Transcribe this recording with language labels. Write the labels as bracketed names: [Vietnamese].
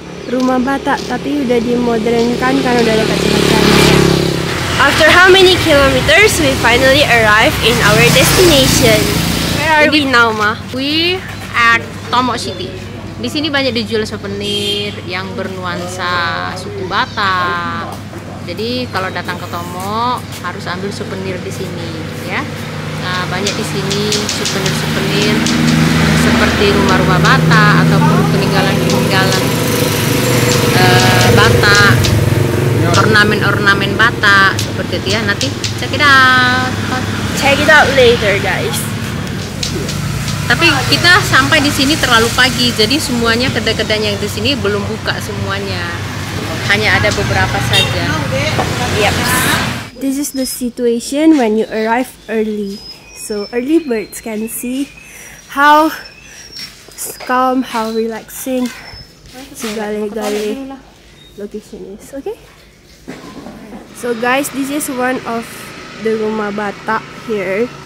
[Indonesian] Rumah bata, tapi udah dimodernkan karena udah ada kecepatan. [English] After how many kilometers, we finally arrive in our destination. Where are we now, Ma? We at Tomo City. [Indonesian] Di sini banyak dijual souvenir yang bernuansa suku Bata. Jadi kalau datang ke Tomo, harus ambil souvenir di sini, ya. Nah, banyak di sini souvenir-souvenir seperti rumah-rumah Bata ataupun peninggalan-peninggalan Bata, ornamen-ornamen Bata seperti itu ya. Nanti [English] check it out. Check it out later, guys. [Indonesian] Tapi kita sampai di sini terlalu pagi, jadi semuanya kedai-kedai yang di sini belum buka semuanya. Hanya ada beberapa saja. [English] Yep. This is the situation when you arrive early. So early birds can see how calm, how relaxing SIGALE-GALE location is, okay? So guys, this is one of the [Indonesian] rumah bata [English] here.